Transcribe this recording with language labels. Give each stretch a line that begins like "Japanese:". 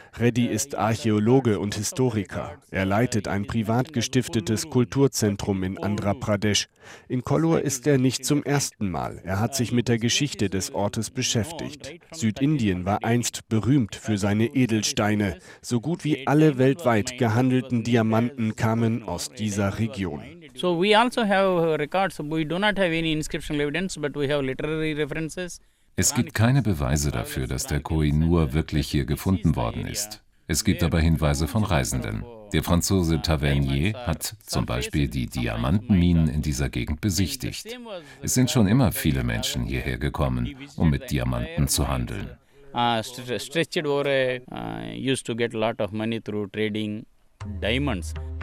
German: Reddy ist Archäologe und Historiker. Er leitet ein privat gestiftetes Kulturzentrum in Andhra Pradesh. In Kollur ist er nicht zum ersten Mal. Er hat sich mit der Geschichte des Ortes beschäftigt. Südindien war einst berühmt für seine Edelsteine. So gut wie alle weltweit gehandelten Diamanten kamen aus dieser Region.
English: So we also have records, we do not have any inscriptional evidence, but we have literary references.
German: Es gibt keine Beweise dafür, dass der Koh-i-Noor wirklich hier gefunden worden ist. Es gibt aber Hinweise von Reisenden. Der Franzose Tavernier hat zum Beispiel die Diamantenminen in dieser Gegend besichtigt. Es sind schon immer viele Menschen hierher gekommen, um mit Diamanten zu handeln.
English: Used to get a lot of money through trading diamonds.